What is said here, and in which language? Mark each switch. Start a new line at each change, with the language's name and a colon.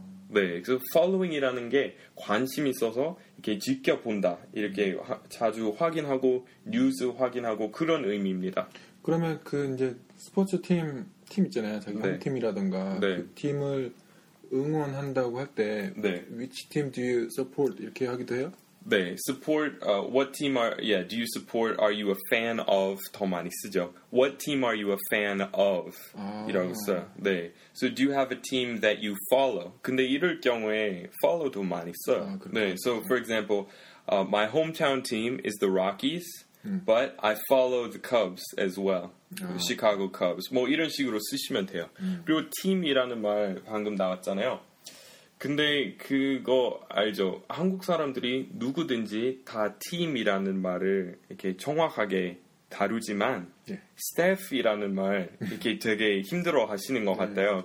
Korean: 네, 그래서 following이라는 게 관심 있어서 이렇게 지켜본다. 이렇게 자주 확인하고 뉴스 확인하고 그런 의미입니다. 그러면 그 이제 스포츠 팀 있잖아요. 자기 네. 홈팀이라든가 네. 그 팀을 응원한다고 할 때 네.
English: which team do you support
Korean: 이렇게 하기도 해요?
English: 네, support what team are yeah, do you support are you a fan of
Korean: 더 많이 쓰죠.
English: What team are you a fan of?
Korean: 아. 이라고 써요. 네.
English: So do you have a team that you follow?
Korean: 근데 이럴 경우에 follow도 많이 써요. 아, 네.
English: So for example, my hometown team is the Rockies, but I follow the Cubs as well. Chicago Cubs.
Korean: 뭐 이런 식으로 쓰시면 돼요. 그리고 팀이라는 말 방금 나왔잖아요. 근데 그거 알죠? 한국 사람들이 누구든지 다 팀이라는 말을 이렇게 정확하게 다루지만 스태프이라는 말 이렇게 되게 힘들어 하시는 것 같아요.